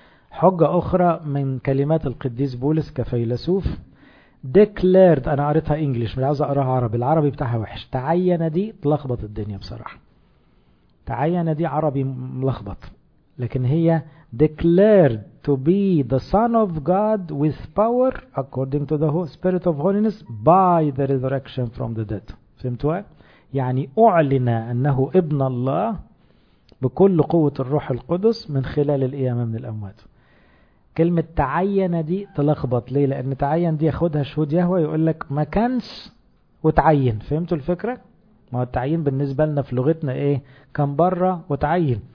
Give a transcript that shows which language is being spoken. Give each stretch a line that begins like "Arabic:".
Arabic: حجة أخرى من كلمات القديس بولس كفيلسوف declared، أنا قريتها إنجليش مش عايز أقراها عربي، العربي بتاعها وحش، تعين دي تلخبط الدنيا بصراحة، تعين دي عربي ملخبط، لكن هي declared
English: to be the Son of God with power according to the Spirit of Holiness by the resurrection from the dead.
Arabic: فهمتوا؟ يعني أعلن أنه ابن الله بكل قوة الروح القدس من خلال القيامة من الأموات. كلمة تعين دي تلخبط ليه؟ لأن تعين دي ياخدها شهود يهوى يقول لك ما كانش وتعين. فهمتوا الفكرة؟ ما التعين بالنسبة لنا في لغتنا إيه؟ كان برة وتعين.